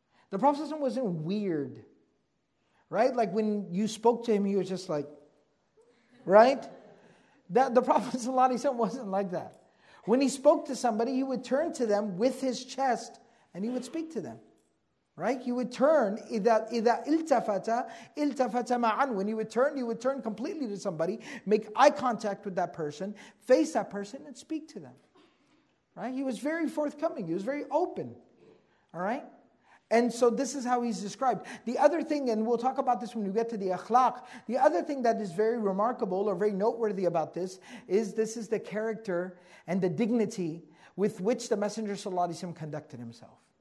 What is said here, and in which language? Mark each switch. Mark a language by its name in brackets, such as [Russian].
[English] The Prophet ﷺ wasn't weird. Right? Like when you spoke to him, he was just like, right? That the Prophet ﷺ wasn't like that. When he spoke to somebody, he would turn to them with his chest and he would speak to them. Right? [Arabic] He would turn, إِذَا إِلْتَفَتَ إِلْتَفَتَ مَعًا. [English] When he would turn completely to somebody, make eye contact with that person, face that person and speak to them. Right? He was very forthcoming. He was very open. All right? And so this is how he's described. The other thing, and we'll talk about this when we get to the akhlaq, the other thing that is very remarkable or very noteworthy about this is the character and the dignity with which the Messenger ﷺ conducted himself.